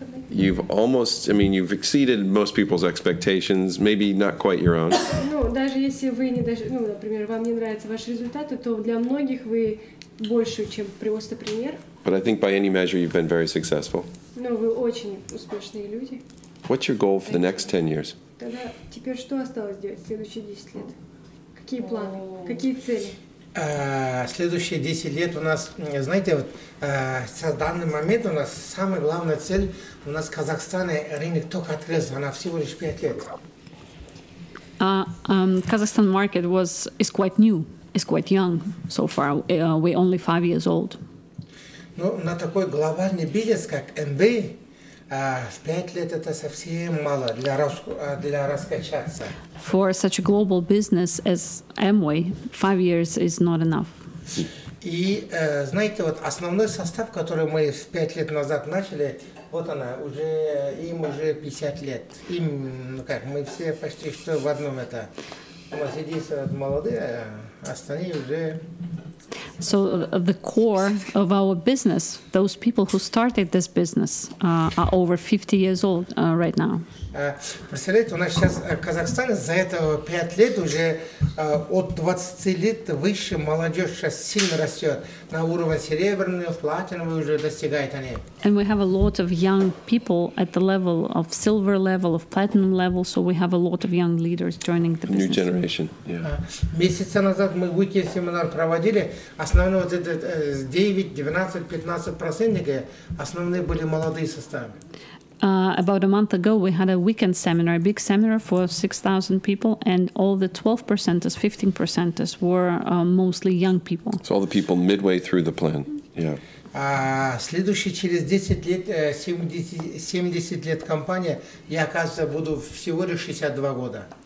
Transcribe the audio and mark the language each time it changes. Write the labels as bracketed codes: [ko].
[en] You've almost, I mean, you've exceeded most people's expectations, maybe not quite your own. [ru] Ну, даже если вы не даже, ну, например, вам не нравятся ваши результаты, то для многих вы больше, чем просто пример. [en] But I think by any measure you've been very successful. [ru] Ну, вы очень успешные люди. [en] What's your goal for the next 10 years? [ru] Тогда теперь что осталось делать в следующие 10 лет? Какие планы? Какие цели? Следующие 10 лет у нас, знаете, вот в данный момент у нас самая главная цель, у нас в Казахстане рынок только открылся, она всего лишь 5 лет. [en] Kazakhstan market is quite new, is quite young so far. We're only 5 years old. [ru] Ну, на такой глобальный бизнес, как MB, 5 лет это совсем мало для раскачаться. [en] For such a global business as Amway, 5 years is not enough. [ru] И знаете, вот основной состав, который мы 5 лет назад начали, Вот она, уже им уже 50 лет. Им, ну как, мы все почти что в одном это. У нас единственное молодые, а остальные уже. [en] So the core of our business, those people who started this business, are over 50 years old right now. [ru] Представляете, у нас сейчас в Казахстане за это 5 лет уже от 20 лет выше молодежь сейчас сильно растет. На уровень серебряный, платиновый уже достигает они. [en] And we have a lot of young people at the level of silver level, of platinum level, so we have a lot of young leaders joining the business. New generation, yeah. [ru] Месяц назад мы weekend семинар проводили, основной вот этот 9-15% основные были молодые составы. [en] About a month ago, we had a weekend seminar, a big seminar for 6,000 people, and all the 12%, 15% were mostly young people. So all the people midway through the plan, yeah. [ru] Следующий через 10 лет, 70 лет компания, я, кажется, буду всего лишь 62 года.